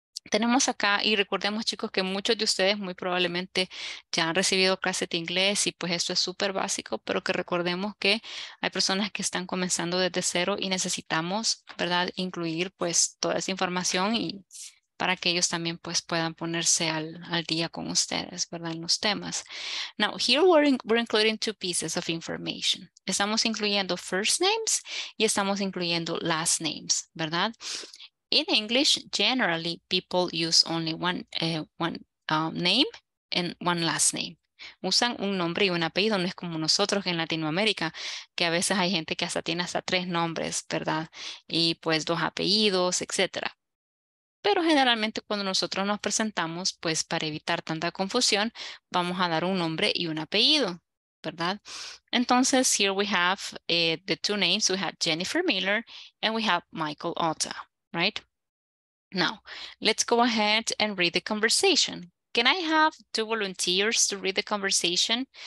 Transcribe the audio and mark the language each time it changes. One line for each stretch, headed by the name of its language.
Spanish: Tenemos acá, y recordemos, chicos, que muchos de ustedes muy probablemente ya han recibido clases de inglés y pues esto es súper básico, pero que recordemos que hay personas que están comenzando desde cero y necesitamos, ¿verdad?, incluir pues toda esa información y para que ellos también pues puedan ponerse al, al día con ustedes, ¿verdad? En los temas.
English: Now, here we're including two pieces of information.
Spanish: Estamos incluyendo first names y estamos incluyendo last names, ¿verdad?
English: In English, generally, people use only one name and one last name.
Spanish: Usan un nombre y un apellido, no es como nosotros en Latinoamérica, que a veces hay gente que hasta tiene hasta tres nombres, ¿verdad? Y pues dos apellidos, etcétera. Pero generalmente cuando nosotros nos presentamos, pues para evitar tanta confusión, vamos a dar un nombre y un apellido, ¿verdad?
English: Entonces, here we have the two names. We have Jennifer Miller and we have Michael Otta, right? Now, let's go ahead and read the conversation. Can I have two volunteers to read the conversation?